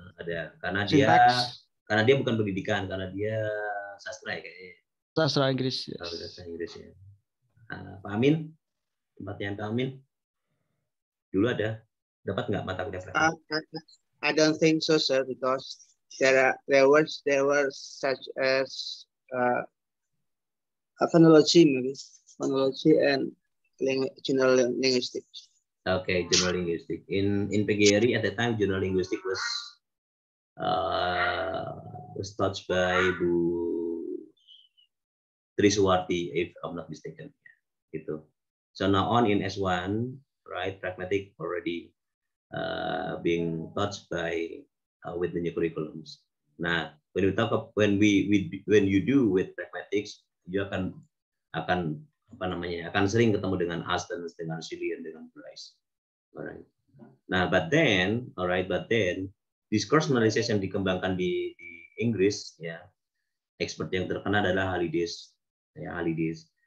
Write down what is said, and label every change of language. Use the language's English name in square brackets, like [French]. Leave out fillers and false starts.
[Indonesian] Ada, karena dia bukan pendidikan, karena dia sastra ya kayaknya. Sastra Inggris, yes. Sastra Inggris, ya. Pak Amin, tempatnya Pak Amin. Dulu ada, dapat nggak mata kuliah pragmatik? [English] I don't think so, sir, because there were such as phonology and general linguistics. Okay, general linguistics. In PGRI at the time, general linguistics was touched by Bu Triswarti, if I'm not mistaken. Gitu. So now on in S1, right, pragmatic already being touched by with the new curriculums. [Indonesian] Nah, [English] when you do with pragmatics, you [Indonesian] akan apa namanya, akan sering ketemu dengan Aston, dengan Cillian, dengan Bryce. Alright. Nah, [English] but then discourse analysis [Indonesian] yang dikembangkan di Inggris ya, yeah, expert yang terkenal adalah Halidis, ya, yeah, Halidis.